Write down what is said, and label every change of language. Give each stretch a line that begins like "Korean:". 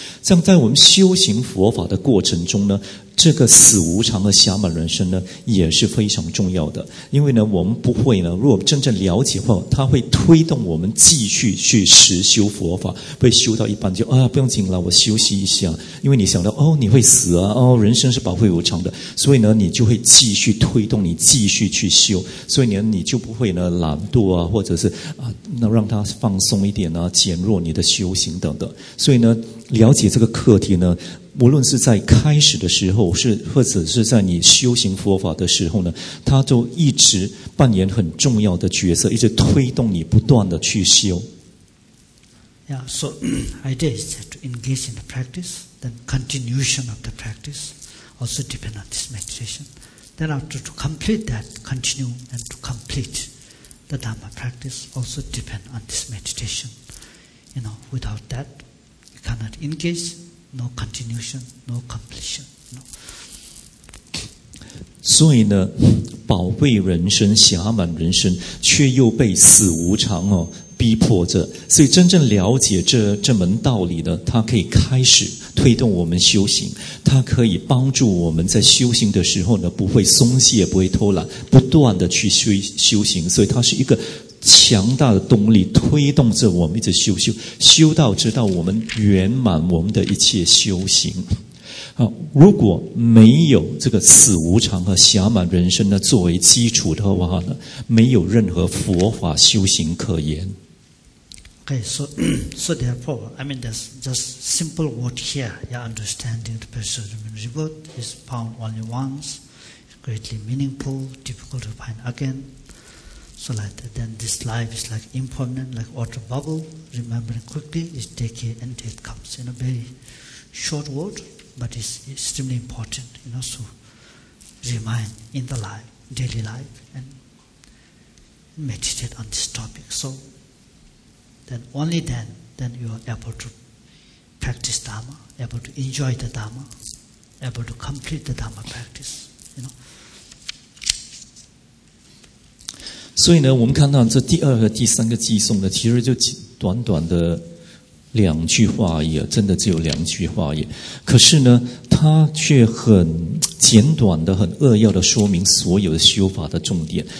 Chinese: 这样在我们修行佛法的过程中呢，这个死无常和狭满人生呢也是非常重要的，因为呢我们不会呢，如果真正了解的话，它会推动我们继续去实修佛法，会修到一半就不用紧了，我休息一下，因为你想到你会死啊，人生是宝贵无常的，所以呢你就会继续推动你继续去修，所以呢你就不会呢懒惰啊，或者是那让它放松一点啊，减弱你的修行等等。所以呢了解这个课题呢，无论是在开始的时候，是或者是在你修行佛法的时候呢，它都一直扮演很重要的角色，一直推动你不断的去修。
English: Yeah, so idea is to engage in the practice, then continuation of the practice also depend on this meditation. Then after to complete that, continue and to complete, the Dhamma practice also depend on this meditation. You know, without that, you cannot engage, no continuation, no completion. You know?
Chinese: 所以呢，宝贵人生、暇满人生，却又被死无常哦逼迫着。所以，真正了解这门道理呢，它可以开始推动我们修行，它可以帮助我们在修行的时候呢，不会松懈，不会偷懒，不断的去修行。所以，它是一个强大的动力，推动着我们一直修，修到直到我们圆满我们的一切修行。好，如果没有这个死无常和暇满人生呢作为基础的话呢，没有任何佛法修行可言。
English: Okay, so therefore, I mean, there's just simple word here. Your understanding the pursuit of the reward is found only once, greatly meaningful, difficult to find again. So like that, then this life is like impermanent, like water bubble. Remembering quickly is decay and death comes. In a very short word. But it's extremely important, you know, to remind in the life, daily life, and meditate on this topic. So, then only then you are able to practice Dhamma, able to enjoy the Dhamma, able to complete the Dhamma practice, you know.
Chinese: 所以呢，我们看到这第二和第三个偈颂呢，其实就短短的。两句话也真的只有两句话也，可是呢，他却很简短的、很扼要的说明所有的修法的重点。